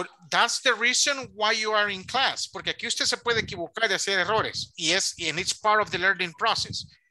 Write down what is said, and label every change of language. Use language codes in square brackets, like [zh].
[en] That's the reason why you are in class. [es] Porque aquí usted se puede equivocar y hacer errores. [en] Yes, and it's part of the learning process.